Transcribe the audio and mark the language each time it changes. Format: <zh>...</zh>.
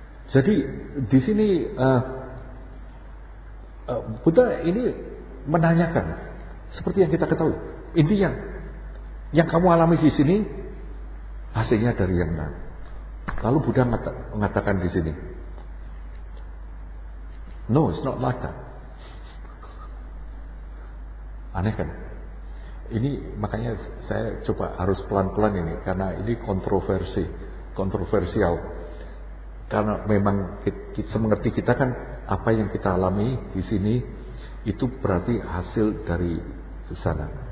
<id>Jadi di sini Buddha ini menanyakan, seperti yang kita ketahui, intinya yang kamu alami di sini hasilnya dari yang lain. Lalu Buddha mengatakan di sini,</id> <en>no, it's not like that.</en> <id>Aneh kan? Ini makanya saya coba harus pelan-pelan ini, karena ini kontroversi, kontroversial. Karena memang semengerti kita kan, apa yang kita alami di sini itu berarti hasil dari sana.</id>